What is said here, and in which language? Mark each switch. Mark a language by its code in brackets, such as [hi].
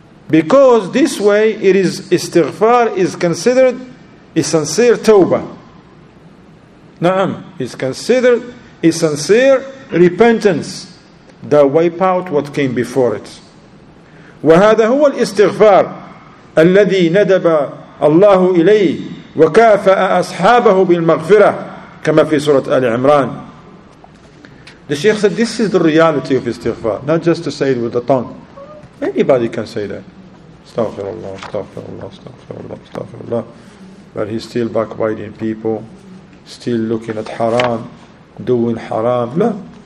[en] Because this way, it is istighfar is considered a sincere tawbah. Na'am, is considered a sincere repentance that wipe out what came before it. [ar] وهذا هو الاستغفار الذي ندب الله إليه. وكافأ أصحابه بالمغفرة كما في سورة آل عمران. [en] The Sheikh said, this is the reality of istighfar, not just to say it with the tongue. Anybody can say that. Astaghfirullah, astaghfirullah, astaghfirullah, astaghfirullah. But he's still backbiting people, still looking at haram, doing haram. No.